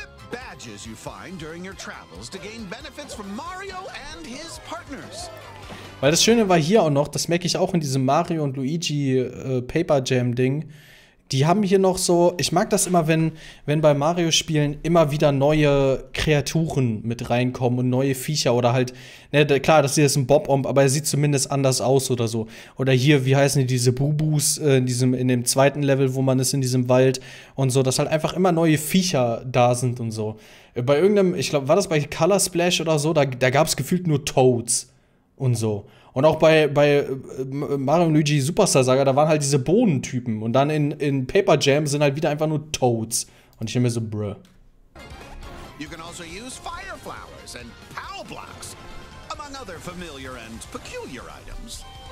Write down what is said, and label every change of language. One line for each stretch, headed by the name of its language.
English: Badges you find during your travels to gain benefits from Mario and his partners.
German: Weil das Schöne war hier auch noch, das merke ich auch in diesem Mario und Luigi Paper Jam Ding, die haben hier noch so, ich mag das immer, wenn bei Mario-Spielen immer wieder neue Kreaturen mit reinkommen und neue Viecher oder halt, ne, klar, das hier ist ein Bob-Omb, aber er sieht zumindest anders aus oder so. Oder hier, wie heißen die, diese Bubus in dem zweiten Level, wo man ist in diesem Wald und so, dass halt einfach immer neue Viecher da sind und so. Bei irgendeinem, ich glaube, war das bei Color Splash oder so, da gab es gefühlt nur Toads und so. Und auch bei Mario Luigi Superstar Saga, da waren halt diese Bohnentypen. Und dann in Paper Jam sind halt wieder einfach nur Toads. Und ich nehme mir so, bruh.
English: You can also use Fire Flowers and Power Blocks, among other familiar and peculiar items.